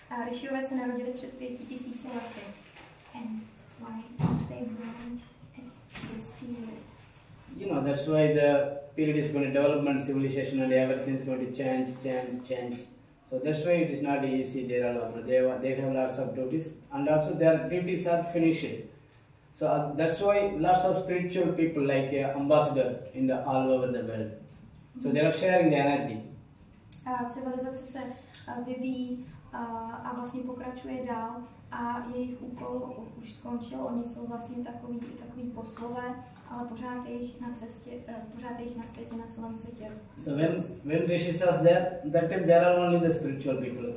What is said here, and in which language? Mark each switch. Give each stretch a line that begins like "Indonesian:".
Czech: Rishiové se narodili před 5,000 lety.
English: And why don't they grow in this period? You know, that's why the period is going to development, civilization, and everything is going to change. So that's why it is not easy. There are lot, they have lots of duties, and also their duties are finishing. So that's why lots of spiritual people like ambassador in the all over the world. So they are sharing the energy.
Czech: Civilizace se vyvíjí a vlastně pokračuje dál a jejich úkol už skončil. Oni jsou vlastně takový poslové, ale pořád jejich na cestě, pořád jejich na světě, na celém světě.
English: So when Rishi says that, that time there are only the spiritual people.